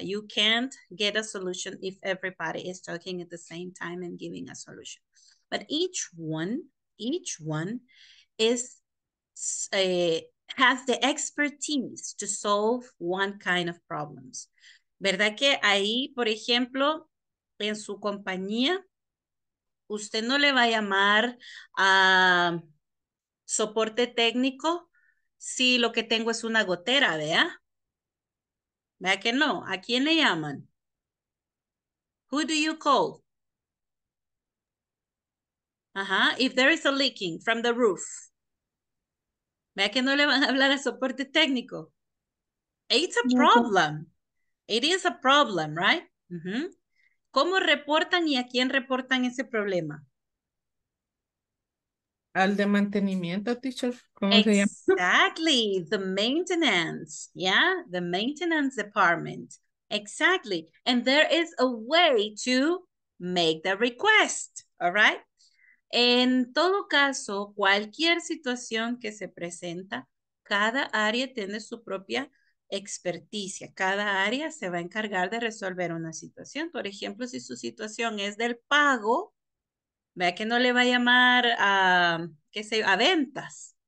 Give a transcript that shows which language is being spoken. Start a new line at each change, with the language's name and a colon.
English: You can't get a solution if everybody is talking at the same time and giving a solution. But each one is a has the expertise to solve one kind of problems.
Spanish: ¿Verdad que ahí, por ejemplo, en su compañía, usted no le va a llamar a soporte técnico si lo que tengo es una gotera, vea? ¿Verdad que no? ¿A quién le llaman?
English: Who do you call? Uh-huh. If there is a leaking from the roof.
Spanish: Vea que no le van a hablar a soporte técnico.
English: It's a problem. It is a problem, right? Mm-hmm.
Spanish: ¿Cómo reportan y a quién reportan ese problema? Al de mantenimiento, teacher. ¿Cómo se llama?
English: Exactly. The maintenance. Yeah, the maintenance department. Exactly. And there is a way to make the request. All right?
Spanish: En todo caso, cualquier situación que se presenta, cada área tiene su propia experticia. Cada área se va a encargar de resolver una situación. Por ejemplo, si su situación es del pago, vea que no le va a llamar a, qué sé yo, a ventas.